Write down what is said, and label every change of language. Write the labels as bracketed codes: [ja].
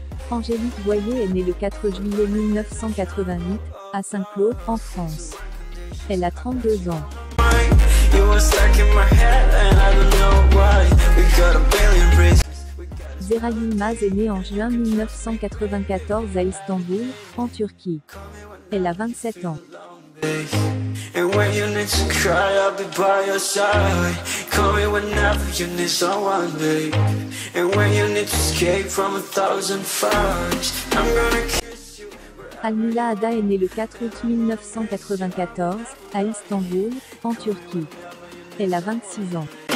[fr] Angélique Boyer est née le 4 juillet 1988 à Saint-Cloud, en France. Elle a 32 ans. [en] You were stuck in my head and I don't know why. We got a billion reasons. [fr] Zera Yılmaz est née en juin 1994 à Istanbul, en Turquie. Elle a 27 ans. [en] And when you need to cry, I'll be by your side. Call me whenever you need someone, babe. And when you need to escape from a thousand fires, I'm gonna kiss you. [fr] Almila Ada est née le 4 août 1994 à Istanbul, en Turquie. Elle a 26 ans.